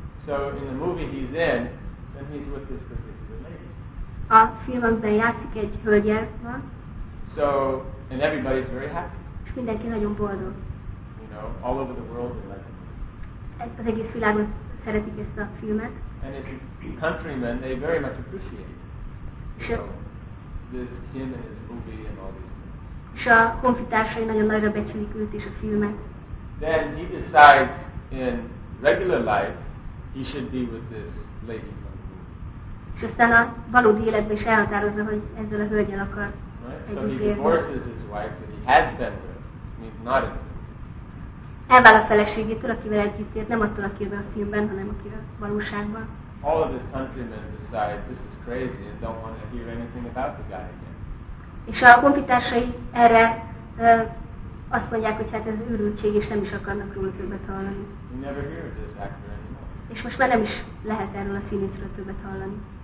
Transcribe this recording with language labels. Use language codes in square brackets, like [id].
[en] So in the movie he's in, then he's with this particular lady. [hu] A filmben játszik egy hölgyel, van. [en] So, and everybody's very happy. [hu] És mindenki nagyon boldog. [en] You know, all over the world they like it. [hu] Az egész világon szeretik ezt a filmet. [en] And his countrymen, they very much appreciate it. So, this him and his movie and all these things. [hu] És a honfitársai nagyon nagyra becsülik őt és a filmet. [en] Then he decides in regular life he should be with this lady. [hu] És aztán a valódi életben is elhatározza, hogy ezzel a hölgyel akar. [en] Right? So he divorces his wife that he has been with, means not in the movie. [hu] Elvál a feleségétől, akivel együtt élt, nem attól, akivel a filmben, hanem akivel a valóságban. [en] All of his countrymen decide this is crazy and don't want to hear anything about the guy again. [hu] És a honfitársai erre azt mondják, hogy hát ez őrültség, és nem is akarnak róla többet hallani. [en] He never heard this actor anymore. [hu] És most már nem is lehet erről a színészről többet hallani.